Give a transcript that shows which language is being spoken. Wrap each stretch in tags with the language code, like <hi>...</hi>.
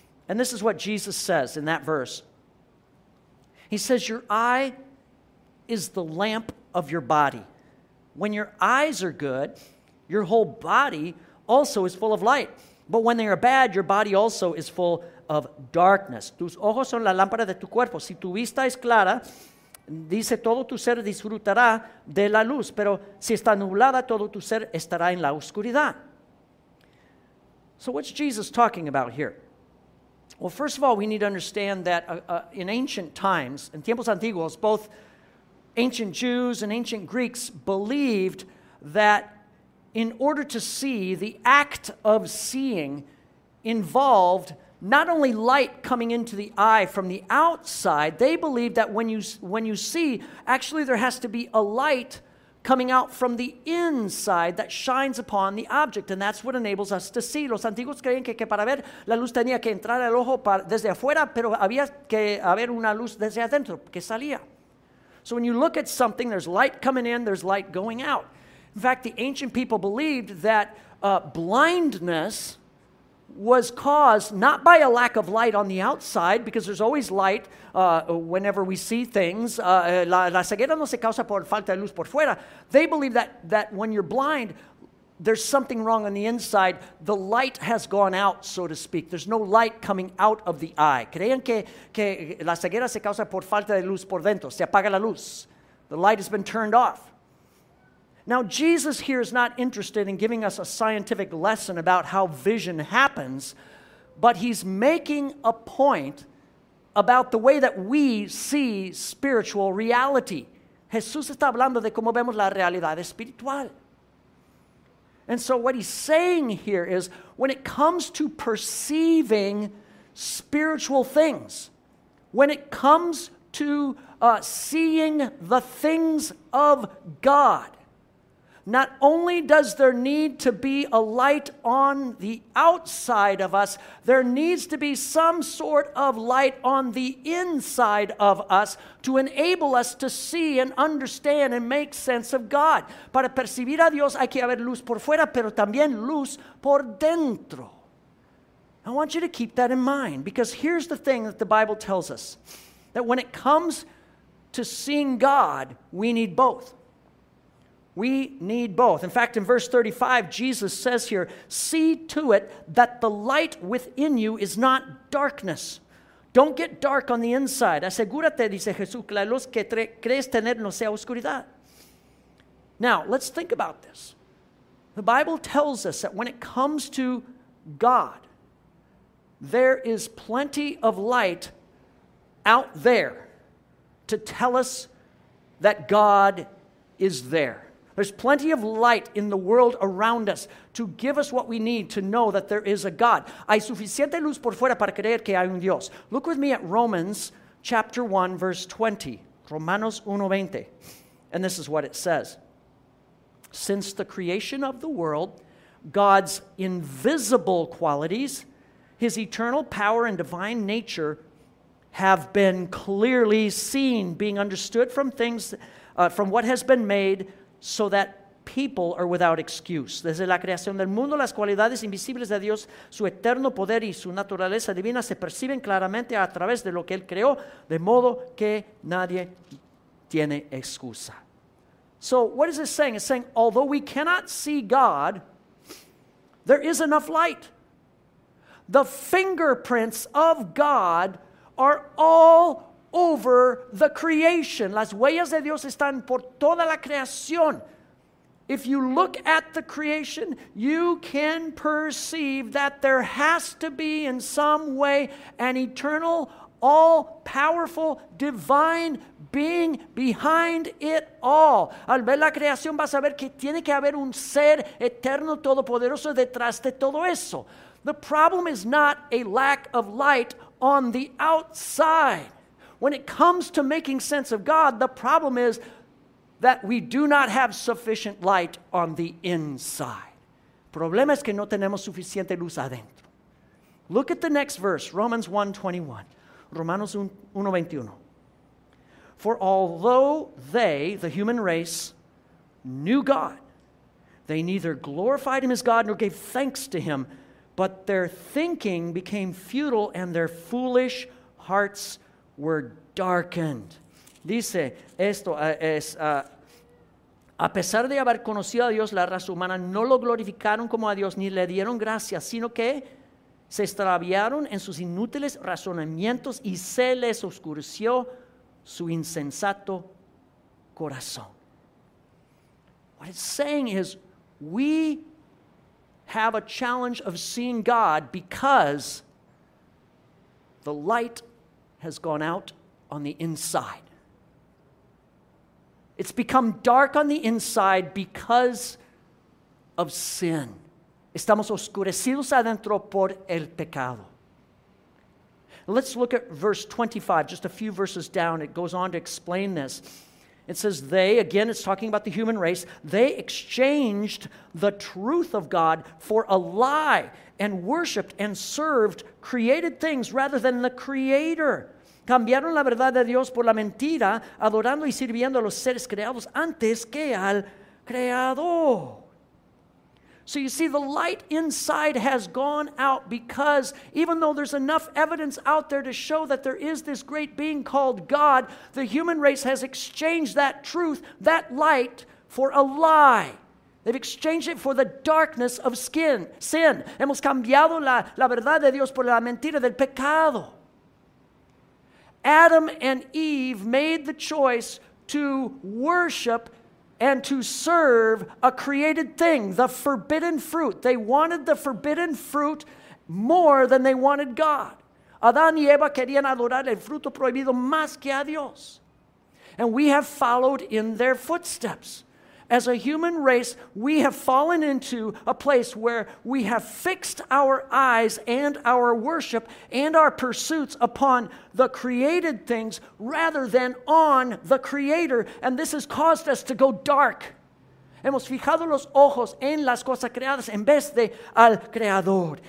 <en>And this is what Jesus says in that verse. He says, your eye is the lamp of your body. When your eyes are good, your whole body also is full of light. But when they are bad, your body also is full of darkness.</en> <es>Tus ojos son la lámpara de tu cuerpo. Si tu vista es clara, dice todo tu ser disfrutará de la luz. Pero si está nublada, todo tu ser estará en la oscuridad.</es> <en>So what's Jesus talking about here? Well, first of all, we need to understand that in ancient times,</en> <es>in tiempos antiguos,</es> <en>both ancient Jews and ancient Greeks believed that in order to see, the act of seeing involved not only light coming into the eye from the outside, they believed that when you see, actually there has to be a light coming out from the inside that shines upon the object, and that's what enables us to see.</en> <es>Los antiguos creían que para ver la luz tenía que entrar al ojo desde afuera, pero había que haber una luz desde adentro que salía.</es> <en>So when you look at something, there's light coming in, there's light going out. In fact, the ancient people believed that blindness was caused not by a lack of light on the outside, because there's always light whenever we see things.</en> <es>La ceguera no se causa por falta de luz por fuera.</es> <en>They believe that when you're blind, there's something wrong on the inside. The light has gone out, so to speak. There's no light coming out of the eye.</en> <es>Creen que la ceguera se causa por falta de luz por dentro. Se apaga la luz.</es> <en>The light has been turned off. Now, Jesus here is not interested in giving us a scientific lesson about how vision happens, but he's making a point about the way that we see spiritual reality.</en> <es>Jesús está hablando de cómo vemos la realidad espiritual.</es> <en>And so what he's saying here is, when it comes to perceiving spiritual things, when it comes to seeing the things of God, not only does there need to be a light on the outside of us, there needs to be some sort of light on the inside of us to enable us to see and understand and make sense of God.</en> <es>Para percibir a Dios hay que haber luz por fuera, pero también luz por dentro.</es> <en>I want you to keep that in mind, because here's the thing that the Bible tells us, that when it comes to seeing God, we need both. We need both. In fact, in verse 35, Jesus says here, see to it that the light within you is not darkness. Don't get dark on the inside.</en> <es>Asegúrate, dice Jesús, que la luz que crees tener no sea oscuridad.</es> <en>Now, let's think about this. The Bible tells us that when it comes to God, there is plenty of light out there to tell us that God is there. There's plenty of light in the world around us to give us what we need to know that there is a God.</en> <es>Hay suficiente luz por fuera para creer que hay un Dios.</es> <en>Look with me at Romans chapter 1, verse 20. Romanos 1:20. And this is what it says. Since the creation of the world, God's invisible qualities, his eternal power and divine nature have been clearly seen, being understood from things, from what has been made, so that people are without excuse.</en> <es>Desde la creación del mundo, las cualidades invisibles de Dios, su eterno poder y su naturaleza divina se perciben claramente a través de lo que Él creó, de modo que nadie tiene excusa.</es> <en>So, what is this saying? It's saying, although we cannot see God, there is enough light. The fingerprints of God are all over the creation.</en> <es>Las huellas de Dios están por toda la creación.</es> <en>If you look at the creation, you can perceive that there has to be in some way an eternal, all-powerful, divine being behind it all.</en> <es>Al ver la creación vas a ver que tiene que haber un ser eterno todopoderoso detrás de todo eso.</es> <en>The problem is not a lack of light on the outside. When it comes to making sense of God, the problem is that we do not have sufficient light on the inside.</en> <es>El problema es que no tenemos suficiente luz adentro.</es> <en>Look at the next verse, Romans 1:21.</en> <es>Romanos 1:21.</es> <en>For although they, the human race, knew God, they neither glorified him as God nor gave thanks to him, but their thinking became futile and their foolish hearts were darkened.</en> <es>Dice esto es a pesar de haber conocido a Dios, la raza humana no lo glorificaron como a Dios ni le dieron gracias, sino que se extraviaron en sus inútiles razonamientos y se les oscureció su insensato corazón.</es> <en>What it's saying is we have a challenge of seeing God because the light has gone out on the inside. It's become dark on the inside because of sin.</en> <es>Estamos oscurecidos adentro por el pecado.</es> <en>Let's look at verse 25, just a few verses down. It goes on to explain this. It says, they, again, it's talking about the human race, they exchanged the truth of God for a lie and worshipped and served created things rather than the Creator.</en> <es>Cambiaron la verdad de Dios por la mentira, adorando y sirviendo a los seres creados antes que al Creador.</es> <en>So you see, the light inside has gone out because even though there's enough evidence out there to show that there is this great being called God, the human race has exchanged that truth, that light, for a lie. They've exchanged it for the darkness of sin.</en> <es>Hemos cambiado la verdad de Dios por la mentira del pecado.</es> <en>Adam and Eve made the choice to worship and to serve a created thing, the forbidden fruit. They wanted the forbidden fruit more than they wanted God.</en> <es>Adán y Eva querían adorar el fruto prohibido más que a Dios.</es> <en>And we have followed in their footsteps. As a human race, we have fallen into a place where we have fixed our eyes and our worship and our pursuits upon the created things rather than on the Creator. And this has caused us to go dark.</en> <es>Hemos fijado los ojos en las cosas creadas en vez de al Creador.</es>